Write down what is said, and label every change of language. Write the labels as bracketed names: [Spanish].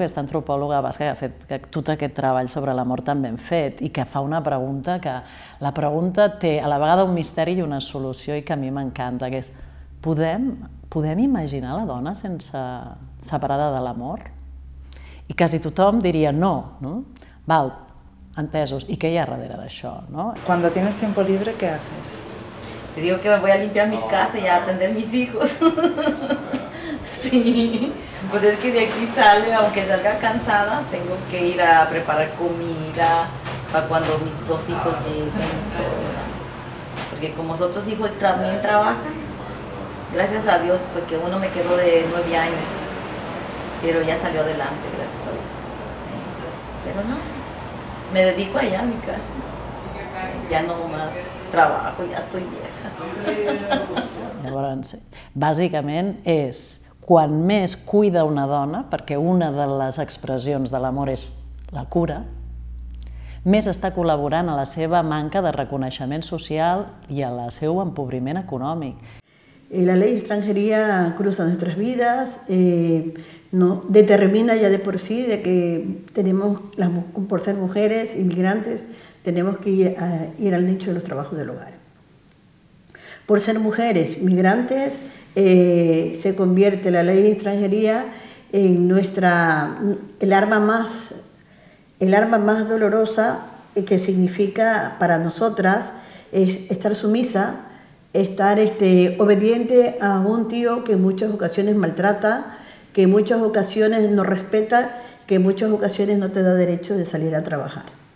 [Catalan] Aquesta antropòloga basca que ha fet tot aquest treball sobre l'amor tan ben fet i que fa una pregunta que la pregunta té a la vegada un misteri i una solució i que a mi m'encanta, que és, podem imaginar la dona sense separada de l'amor? I quasi tothom diria no, no? Val, entesos, i què hi ha darrere d'això, no? [Spanish] Cuando tienes tiempo libre, ¿qué haces? Te digo que me voy a limpiar mi casa y a atender mis hijos. Sí, pues es que de aquí sale, aunque salga cansada, tengo que ir a preparar comida para cuando mis dos hijos lleguen. Porque como los otros hijos también trabajan, gracias a Dios, porque uno me quedó de 9 años, pero ya salió adelante, gracias a Dios. Pero no, me dedico allá a mi casa. Ja no más trabajo, ya estoy bien. [Catalan] Llavors, bàsicament és quan més cuida una dona, perquè una de les expressions de l'amor és la cura, més està col·laborant a la seva manca de reconeixement social i al seu empobriment econòmic. [Spanish] La ley de extranjería cruza nuestras vidas, no determina ya de por sí de que tenemos, por ser mujeres inmigrantes, tenemos que ir al nicho de los trabajos del hogar. Por ser mujeres migrantes, se convierte la ley de extranjería en el arma más dolorosa, que significa para nosotras es estar sumisa, estar obediente a un tío que en muchas ocasiones maltrata, que en muchas ocasiones no respeta, que en muchas ocasiones no te da derecho de salir a trabajar.